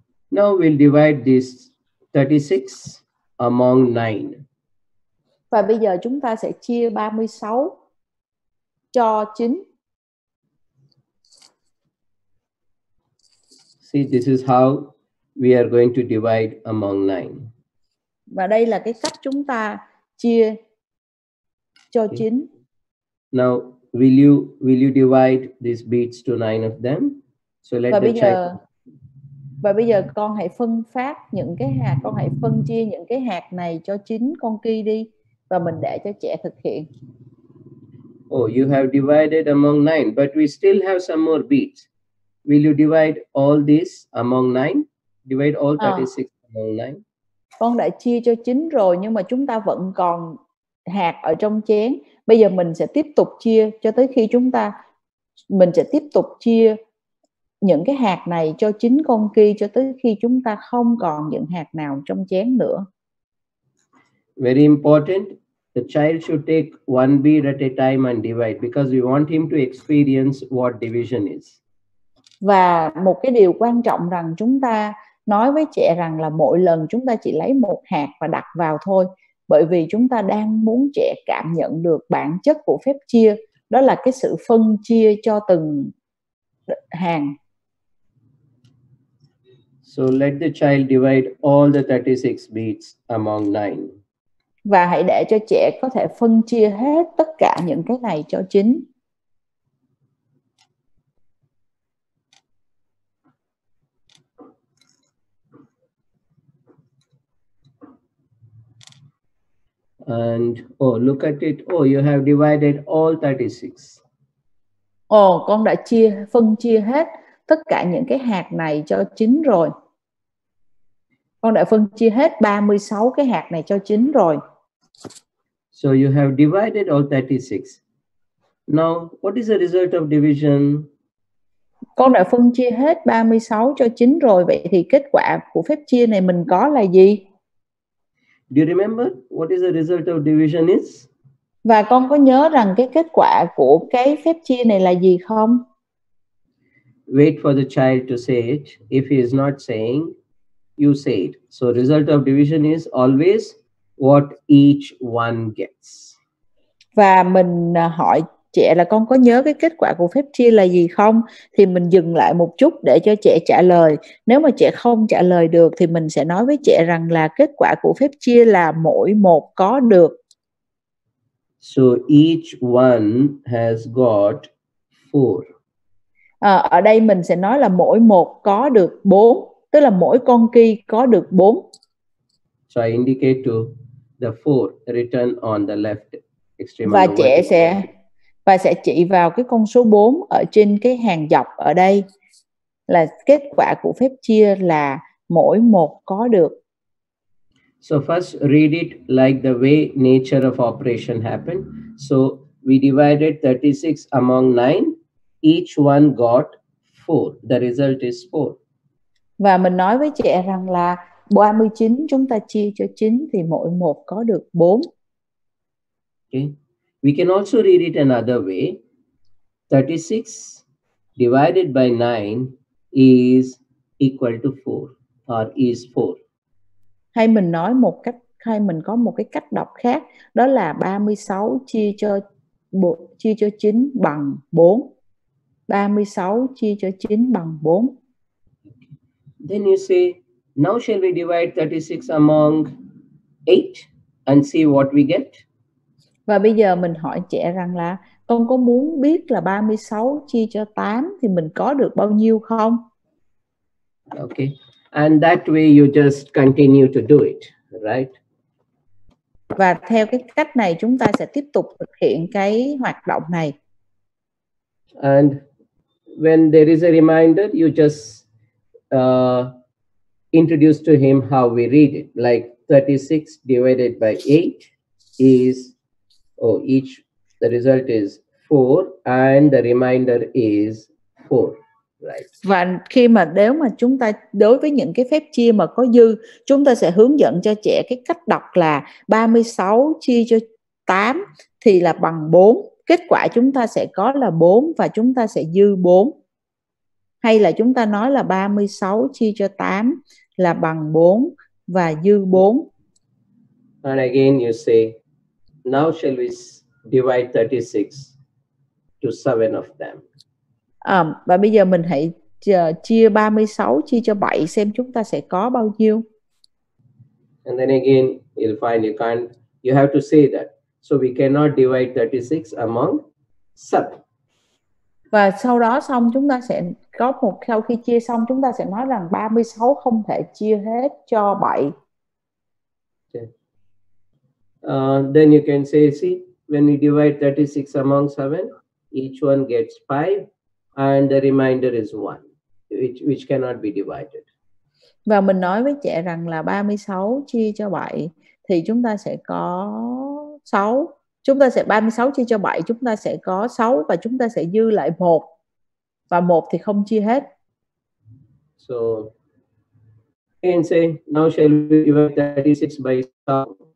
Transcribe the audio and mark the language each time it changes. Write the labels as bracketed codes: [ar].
[en] Now we'll divide this 36 among 9. [vi] Và bây giờ chúng ta sẽ chia 36 cho 9. [en] See, this is how we are going to divide among 9. [vi] Và đây là cái cách chúng ta chia cho 9. [en] Now, will you divide these beads to 9 of them? So let the child. [vi] Và bây giờ con hãy phân phát những cái hạt, con hãy phân chia những cái hạt này cho 9 con ki đi và mình để cho trẻ thực hiện. [en] Oh, you have divided among 9, but we still have some more beads. Will you divide all these among 9? Divide all 36 among 9. [vi] Con đã chia cho 9 rồi nhưng mà chúng ta vẫn còn hạt ở trong chén. Bây giờ mình sẽ tiếp tục chia cho tới khi mình sẽ tiếp tục chia những cái hạt này cho 9 con ki cho tới khi chúng ta không còn những hạt nào trong chén nữa. [en] Very important, the child should take one bead at a time and divide because we want him to experience what division is. [vi] Và một cái điều quan trọng rằng chúng ta nói với trẻ rằng là mỗi lần chúng ta chỉ lấy một hạt và đặt vào thôi, bởi vì chúng ta đang muốn trẻ cảm nhận được bản chất của phép chia, đó là cái sự phân chia cho từng hàng. [en] So let the child divide all the 36 beads among 9. [vi] Và hãy để cho trẻ có thể phân chia hết tất cả những cái này cho 9. [en] And oh, look at it. Oh, you have divided all 36. [vi] Oh, con đã phân chia hết tất cả những cái hạt này cho 9 rồi. Con đã phân chia hết 36 cái hạt này cho 9 rồi. [en] So you have divided all 36. Now, what is the result of division? [vi] Con đã phân chia hết 36 cho 9 rồi. Vậy thì kết quả của phép chia này mình có là gì? [en] Do you remember what is the result of division is? [vi] Và con có nhớ rằng cái kết quả của cái phép chia này là gì không? [en] Wait for the child to say it. If he is not saying, you say it. So result of division is always what each one gets. [vi] Và mình hỏi trẻ là con có nhớ cái kết quả của phép chia là gì không? Thì mình dừng lại một chút để cho trẻ trả lời. Nếu mà trẻ không trả lời được thì mình sẽ nói với trẻ rằng là kết quả của phép chia là mỗi một có được. [en] So each one has got 4. [vi] Ở đây mình sẽ nói là mỗi một có được 4. Tức là mỗi con ki có được 4. [en] So I indicate to the 4 written on the left extreme. [vi] Và trẻ sẽ chỉ vào cái con số 4 ở trên cái hàng dọc ở đây. Là kết quả của phép chia là mỗi một có được. [en] So first read it like the way nature of operation happened. So we divided 36 among 9. Each one got 4. The result is 4. [vi] Và mình nói với trẻ rằng là 39 chúng ta chia cho 9 thì mỗi một có được 4. [en] Okay. We can also read it another way. 36 divided by 9 is equal to 4 or is 4. [vi] Hay mình nói một cách, hay mình có một cái cách đọc khác, đó là 36 chia cho 9 bằng 4. 36 chia cho 9 bằng 4. [en] Then you say, now shall we divide 36 among 8 and see what we get? [vi] Và bây giờ mình hỏi trẻ rằng là con có muốn biết là 36 chia cho 8 thì mình có được bao nhiêu không? [en] Okay. And that way you just continue to do it, right? [vi] Và theo cái cách này chúng ta sẽ tiếp tục thực hiện cái hoạt động này. [en] And when there is a reminder, you just introduce to him how we read it, like 36 divided by 8 is, oh, each, the result is 4 and the remainder is 4. Right. [vi] Và khi mà nếu mà chúng ta đối với những cái phép chia mà có dư, chúng ta sẽ hướng dẫn cho trẻ cái cách đọc là 36 chia cho 8 thì là bằng 4. Kết quả chúng ta sẽ có là 4 và chúng ta sẽ dư 4. Hay là chúng ta nói là 36 chia cho 8 là bằng 4 và dư 4. [en] And again you say, now shall we divide 36 to 7 of them. [vi] Và bây giờ mình hãy chia 36 chia cho 7 xem chúng ta sẽ có bao nhiêu. [en] And then again, you'll find you can't, you have to say that. So we cannot divide 36 among 7. [vi] Và sau đó xong chúng ta sẽ có một, sau khi chia xong chúng ta sẽ nói rằng 36 không thể chia hết cho 7. [en] Okay. Then you can say, see, when we divide 36 among 7, each one gets 5. And the remainder is 1, which cannot be divided. [vi] Và mình nói với trẻ rằng là 36 chia cho 7 thì chúng ta sẽ có 6. Chúng ta sẽ 36 chia cho 7 chúng ta sẽ có 6 và chúng ta sẽ dư lại 1. Và 1 thì không chia hết. [en] So, and say, now shall we divide 36 by 7?